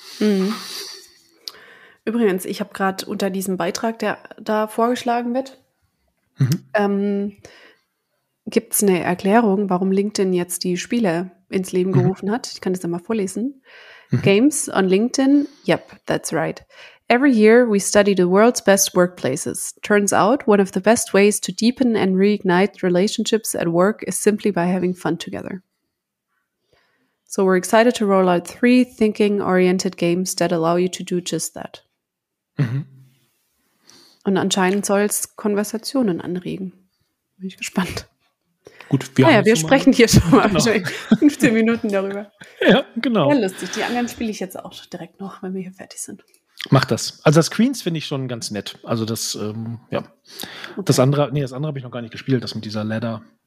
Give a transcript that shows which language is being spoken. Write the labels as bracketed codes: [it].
[de] Mhm. Übrigens, ich habe gerade unter diesem Beitrag, der da vorgeschlagen wird, gibt es eine Erklärung, warum LinkedIn jetzt die Spiele ins Leben gerufen hat. Ich kann das dann mal vorlesen. [en] Mhm. Games on LinkedIn. Yep, that's right. Every year we study the world's best workplaces. Turns out, one of the best ways to deepen and reignite relationships at work is simply by having fun together. So we're excited to roll out 3 thinking-oriented games that allow you to do just that. Mhm. [de] Und anscheinend soll es Konversationen anregen. Bin ich gespannt. Gut, wir sprechen hier schon mal 15 Minuten darüber. Ja, genau. Ja, lustig. Die anderen spiele ich jetzt auch direkt noch, wenn wir hier fertig sind. Mach das. Also das Queens finde ich schon ganz nett. Also das, okay. Das andere habe ich noch gar nicht gespielt, das mit dieser Ladder.